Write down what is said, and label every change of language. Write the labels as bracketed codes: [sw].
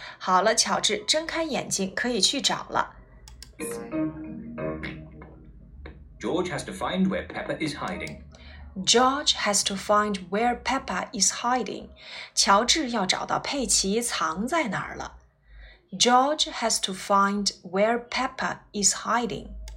[zh] 好了，乔治，睁开眼睛，可以去找了。 [en] George has to find where Peppa is hiding. George has to find where Peppa is hiding. [zh] 乔治要找到佩奇藏在哪儿了。 [en] George has to find where Peppa is hiding.